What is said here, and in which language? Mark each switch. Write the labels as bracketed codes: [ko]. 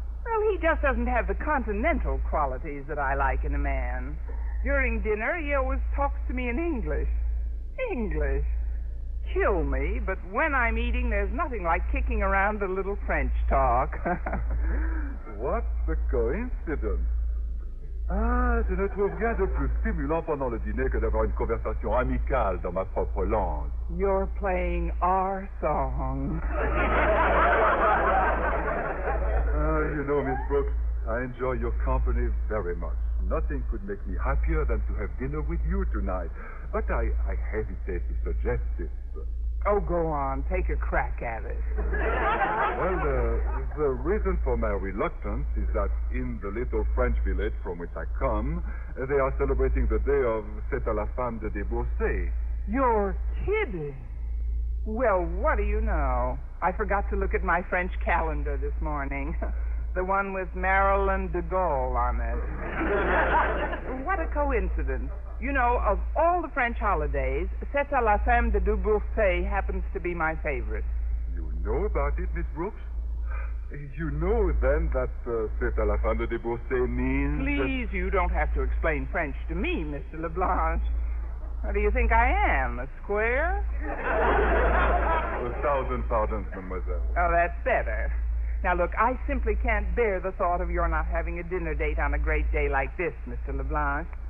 [en] Well, he just doesn't have the continental qualities that I like in a man. During dinner, he always talks to me in English. English. Kill me, but when I'm eating, there's nothing like kicking around a little French talk. What a coincidence. [fr] Je ne trouve rien de plus stimulant pendant le dîner que d'avoir une conversation amicale dans ma propre langue. [en] You're playing our song. You know, Miss Brooks, I enjoy your company very much. Nothing could make me happier than to have dinner with you tonight. But I hesitate to suggest this. Oh, go on. Take a crack at it. Well, the reason for my reluctance is that in the little French village from which I come, they are celebrating the day of C'est à la fin de débourser. You're kidding. Well, what do you know? I forgot to look at my French calendar this morning. The one with Marilyn de Gaulle on it. What a coincidence. You know, of all the French holidays, C'est à la fin de débourser happens to be my favorite. You know about it, Miss Brooks? You know, then, that C'est à la fin de débourser means... Please, you don't have to explain French to me, Mr. LeBlanche. What do you think I am, a square? A thousand pardons, mademoiselle. Oh, that's better. Now, look, I simply can't bear the thought of your not having a dinner date on a great day like this, Mr. LeBlanche.